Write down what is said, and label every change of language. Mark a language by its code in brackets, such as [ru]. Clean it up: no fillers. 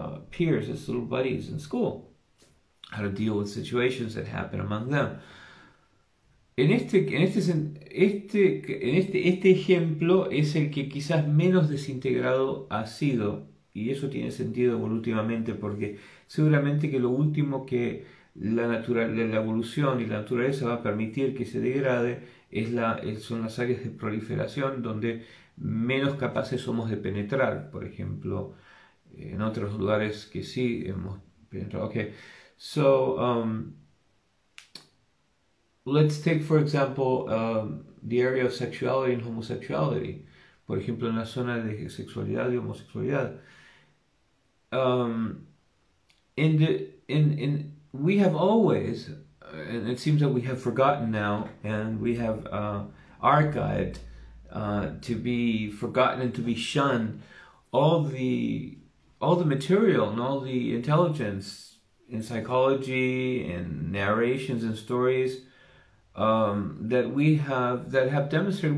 [en] peers, his little buddies in school, how to deal with situations that happen among them. [es] En este ejemplo es el que quizás menos desintegrado ha sido, y eso tiene sentido evolutivamente, porque seguramente que lo último que la evolución y la naturaleza va a permitir que se degrade son las áreas de proliferación donde menos capaces somos de penetrar. Por ejemplo, en otros lugares que sí hemos penetrado. [en] Okay. So, let's take, for example, the area of sexuality and homosexuality. [es] Por ejemplo, en la zona de sexualidad y homosexualidad. [en] We have always, and it seems that we have forgotten now, and we have archived to be forgotten and to be shunned all the material and all the intelligence in psychology and narrations and stories that have demonstrated.